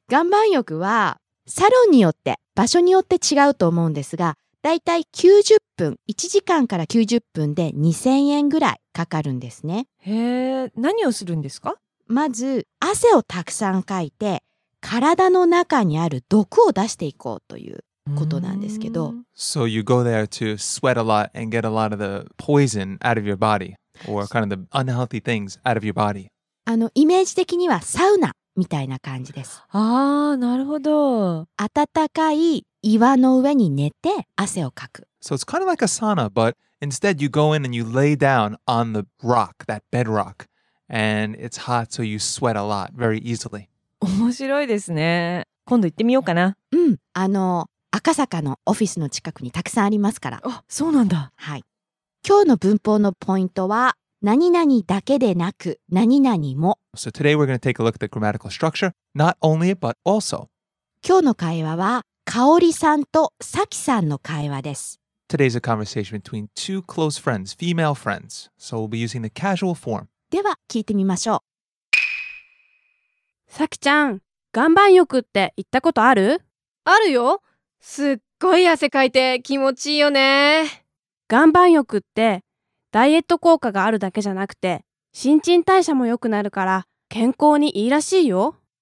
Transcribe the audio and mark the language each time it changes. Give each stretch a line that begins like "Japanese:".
Japanese: 岩盤浴はサロンによって場所によって違うと思うんですが、だいたい90分、1時間から90分で2000円ぐらいかかるんですね。へえ、何をするんですか？まず汗をたくさんかいて、体の中にある毒を出していこうということなんですけど。
English: So you go there to sweat a lot and get a lot of the poison out of your body, or kind of the unhealthy things out of your body.
Japanese: あの、イメージ的にはサウナみたいな感じです。あー、なるほど。暖かい岩の上に寝て汗をかく。
English: So it's kind of like a sauna, but instead you go in and you lay down on the rock, that bedrock, and it's hot, so you sweat a lot very easily.
Japanese: 面白いですね。今度行ってみようかな。うん、あの、赤坂のオフィスの近くにたくさんありますから。あ、そうなんだ。はい。今日の文法のポイントは、何々だけでなく何々も。
English: So today we're going to take a look at the grammatical structure, not only but also.
Japanese: 今日の会話は香里さんとサキさんの会話です。
English: Today's a conversation between two close friends, female friends. So we'll be using the casual form.
Japanese: では聞いてみましょう。サキちゃん、岩盤浴って行ったことある？あるよ。すっごい汗かいて気持ちいいよね。岩盤浴ってダイエット効果があるだけじゃなくて、新陳代謝も良くなるから健康にいいらしいよ。